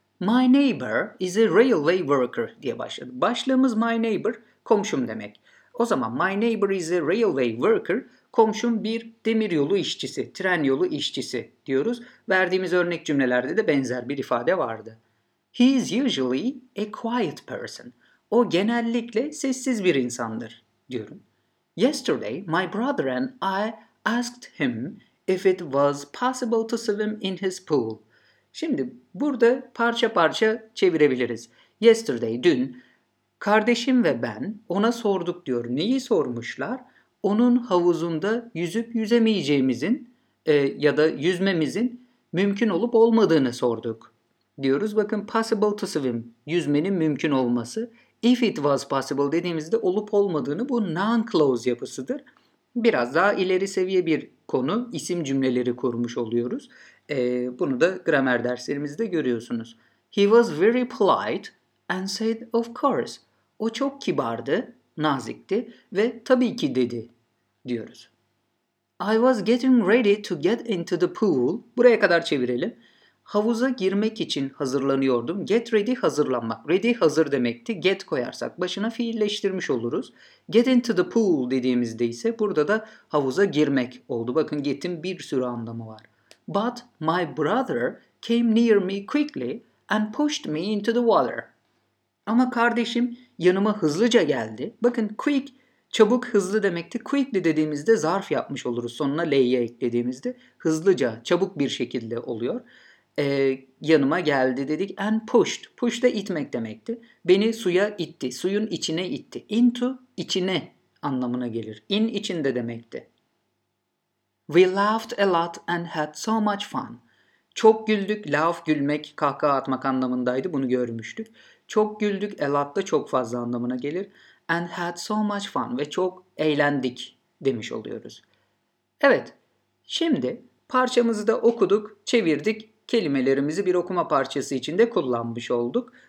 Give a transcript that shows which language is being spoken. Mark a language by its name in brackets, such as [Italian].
[English] My neighbor is a railway worker [Turkish] diye başladı. Başlığımız [English] my neighbor, [Turkish] komşum demek. O zaman [English] my neighbor is a railway worker, [Turkish] komşum bir demiryolu işçisi, tren yolu işçisi diyoruz. Verdiğimiz örnek cümlelerde de benzer bir ifade vardı. [English] He is usually a quiet person. [Turkish] O genellikle sessiz bir insandır diyorum. [English] Yesterday my brother and I asked him if it was possible to swim in his pool. [Turkish] Şimdi burada parça parça çevirebiliriz. Yesterday, dün, kardeşim ve ben ona sorduk diyor. Neyi sormuşlar? Onun havuzunda yüzüp yüzemeyeceğimizin ya da yüzmemizin mümkün olup olmadığını sorduk diyoruz. Bakın [English] possible to swim, [Turkish] yüzmenin mümkün olması. [English] If it was possible [Turkish] dediğimizde olup olmadığını, bu non-clause yapısıdır. Biraz daha ileri seviye bir konu, isim cümleleri kurmuş oluyoruz. Bunu da gramer derslerimizde görüyorsunuz. [English] He was very polite and said of course. [Turkish] O çok kibardı, nazikti ve tabii ki dedi diyoruz. [English] I was getting ready to get into the pool. [Turkish] Buraya kadar çevirelim. Havuza girmek için hazırlanıyordum. Get ready, hazırlanmak. Ready, hazır demekti. Get koyarsak başına fiilleştirmiş oluruz. [English] Get into the pool [Turkish] dediğimizde ise burada da havuza girmek oldu. Bakın get'in bir sürü anlamı var. [English] But my brother came near me quickly and pushed me into the water. [Turkish] Ama kardeşim yanıma hızlıca geldi. Bakın quick, çabuk, hızlı demekti. Quickly dediğimizde zarf yapmış oluruz. Sonuna l'ye eklediğimizde hızlıca, çabuk bir şekilde oluyor. Yanıma geldi dedik. [English] And pushed. [Turkish] Push da itmek demekti. Beni suya itti. Suyun içine itti. Into, içine anlamına gelir. In, içinde demekti. [English] We laughed a lot and had so much fun. [Turkish] Çok güldük. Laugh, gülmek, kahkaha atmak anlamındaydı. Bunu görmüştük. Çok güldük. [English] A lot [Turkish] da çok fazla anlamına gelir. [English] And had so much fun. [Turkish] Ve çok eğlendik demiş oluyoruz. Evet. Şimdi parçamızı da okuduk, çevirdik. Kelimelerimizi bir okuma parçası içinde kullanmış olduk.